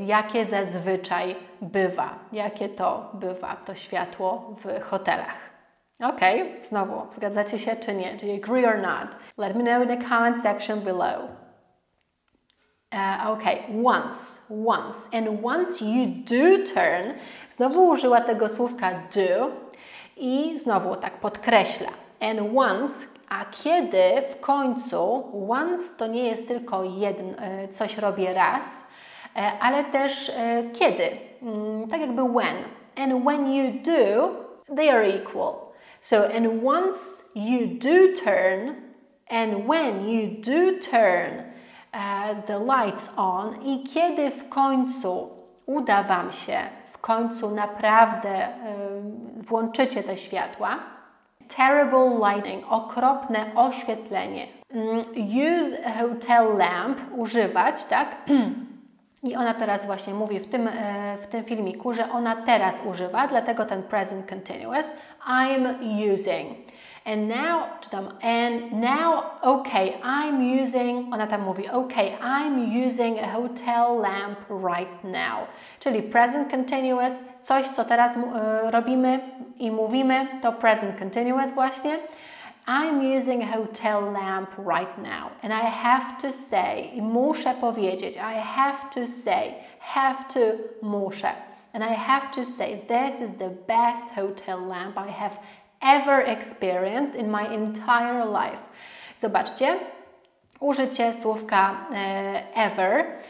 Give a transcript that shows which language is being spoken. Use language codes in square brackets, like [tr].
[pl] Jakie zazwyczaj bywa, jakie to bywa, to światło w hotelach. Okay, znowu, zgadzacie się czy nie? [en] Do you agree or not? Let me know in the comment section below. Okay, once. And once you do turn, [pl] znowu użyła tego słówka do i znowu tak podkreśla. And once, a kiedy w końcu, once to nie jest tylko jedno, coś robię raz, ale też kiedy, tak jakby when. [en] And when you do, they are equal. So, and once you do turn, and when you do turn, the lights on. [pl] I kiedy w końcu uda Wam się, w końcu naprawdę włączycie te światła, terrible lighting, okropne oświetlenie. [en] Use a hotel lamp, [pl] używać, tak? I ona teraz właśnie mówi w tym filmiku, że ona teraz używa, dlatego ten present continuous. [en] I'm using. And now, czytam, and now, okay, I'm using, [pl] ona tam mówi, [en] okay, I'm using a hotel lamp right now. [pl] Czyli present continuous, coś, co teraz robimy i mówimy, to present continuous właśnie. [en] I'm using a hotel lamp right now. And I have to say, [pl] i muszę powiedzieć, [en] I have to say, have to, muszę. And I have to say, this is the best hotel lamp I have ever experienced in my entire life. [pl] Zobaczcie, użycie słówka ever.